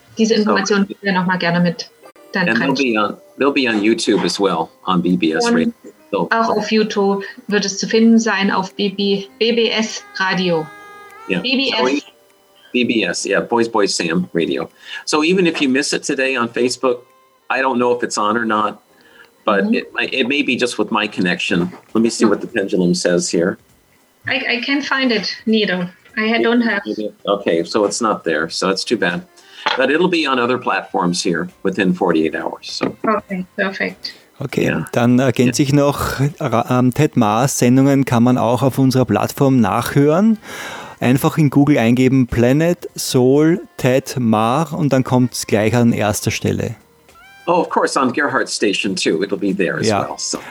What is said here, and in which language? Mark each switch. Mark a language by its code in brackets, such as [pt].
[de] Diese Informationen würde ich nochmal gerne mit dann teilen. [en] They'll be on YouTube as well, on BBS [de] und Radio. So, auch auf YouTube wird es zu finden sein auf BBS Radio. [en] Yeah. Boys Sam Radio. So even if you miss it today on Facebook, I don't know if it's on or not, but it may be just with my connection. Let me see what the pendulum says here. I can't find it, neither. Okay, so it's not there, so it's too bad. But it'll be on other platforms here within 48 hours. So. Okay, perfect. [de] Okay, dann ergänze ich noch, Ted Maas Sendungen kann man auch auf unserer Plattform nachhören. Einfach in Google eingeben Planet Soul Ted Maas und dann kommt es gleich an erster Stelle. [en] Oh, of course, on Gerhardt's station too. It'll be there as well. So.